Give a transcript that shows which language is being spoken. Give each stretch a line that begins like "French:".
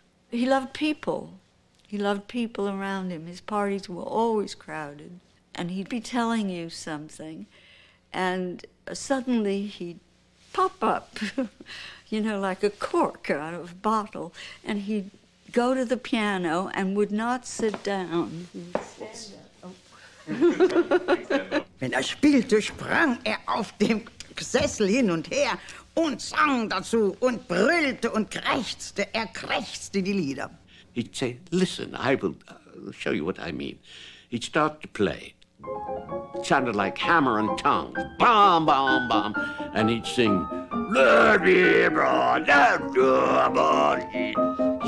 English: He loved people. He loved people around him. His parties were always crowded. And he'd be telling you something, and suddenly he'd pop up, you know, like a cork out of a bottle. And he'd go to the piano and would not sit down.
German: Wenn er spielte, sprang er auf dem Sessel hin und her und sang dazu und brüllte und krächzte. Er krächzte die Lieder.
English: He'd say, listen, I will show you what I mean. He'd start to play. It sounded like hammer and tongs. Bam, bam, bam. And he'd sing, let me abroad, let me abroad.